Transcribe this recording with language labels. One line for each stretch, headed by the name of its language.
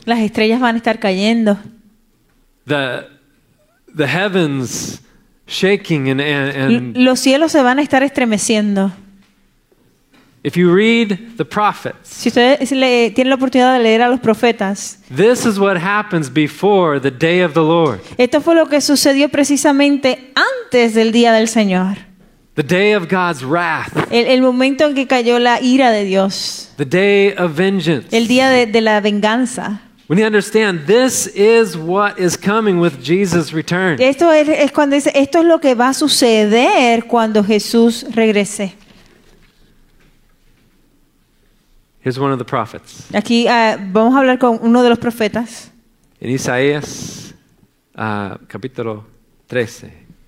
Spanish: Las estrellas van a estar cayendo.
English: The heavens shaking and
Spanish: los cielos se van a estar estremeciendo.
English: If you read the prophets,
Spanish: si ustedes tienen la oportunidad de leer a los profetas,
English: this is what happens before the day of the Lord.
Spanish: Esto fue lo que sucedió precisamente antes del día del Señor.
English: The day of God's wrath.
Spanish: El momento en que cayó la ira de Dios.
English: The day of vengeance.
Spanish: El día de la venganza.
English: We need to understand this is what is coming with Jesus' return.
Spanish: Esto es cuando dice, esto es lo que va a suceder cuando Jesús regrese.
English: Here's one of the prophets.
Spanish: Aquí vamos a hablar con uno de los profetas. En Isaías capítulo 13.